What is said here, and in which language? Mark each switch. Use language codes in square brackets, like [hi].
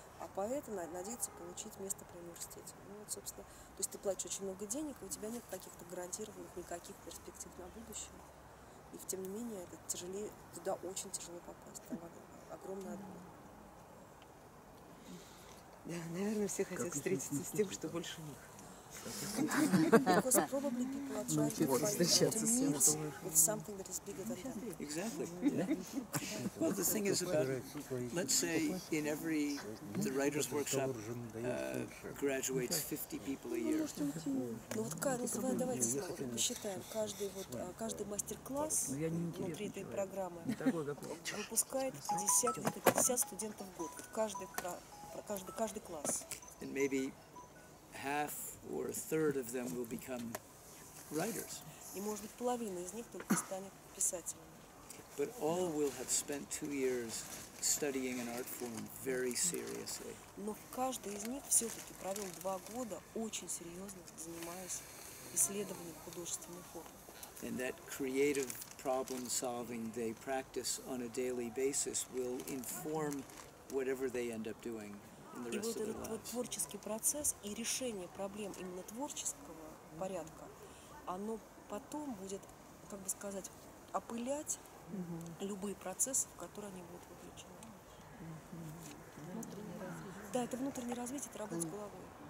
[ru] А поэты надеются получить место при университете. Ну вот, собственно, то есть ты платишь очень много денег, и у тебя нет каких-то гарантированных никаких перспектив на будущее. И тем не менее, это тяжелее, туда очень тяжело попасть. Там огромный отбор. Да, наверное, все хотят как встретиться с тем, что больше у них. [en] Because probably people are trying to find a way to meet with something that is bigger than them. Exactly. Well, the thing is about, let's say in every, the writer's workshop graduates 50 people a year. [ru] Ну вот давайте посчитаем, каждый мастер-класс внутри этой программы выпускает 50 студентов в год, каждый класс. [en] And maybe half or a third of them will become writers. [ru] И может быть половина из них только станет писателями. [en] But all will have spent 2 years studying an art form very seriously. [ru] Но каждый из них все-таки провел 2 года очень серьезно занимаясь исследованием художественной формы. [en] And that creative problem solving they practice on a daily basis will inform whatever they end up doing. [ru] И вот этот вот творческий процесс и решение проблем именно творческого порядка, оно потом будет, как бы сказать, опылять любые процессы, в которые они будут вовлечены. Да, это внутреннее развитие, это работа с головой.